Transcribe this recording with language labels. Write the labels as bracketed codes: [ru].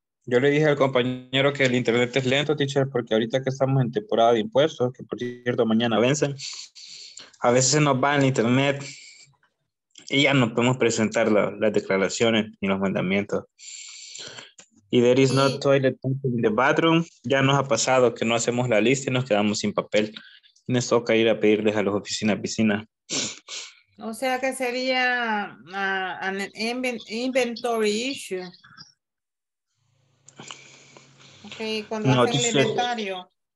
[es] Yo le dije al compañero que el internet es lento, teacher, porque ahorita que estamos en temporada de impuestos, que por cierto mañana vencen, a veces se nos va el internet y ya no podemos presentar las declaraciones ni los mandamientos. [en] Y there is no toilet paper in the bathroom. [es] Ya nos ha pasado que no hacemos la lista y nos quedamos sin papel. Nos toca ir a pedirles a las oficinas vecinas. O sea que sería [en] an inventory issue. [es] Okay, cuando hacen el inventario.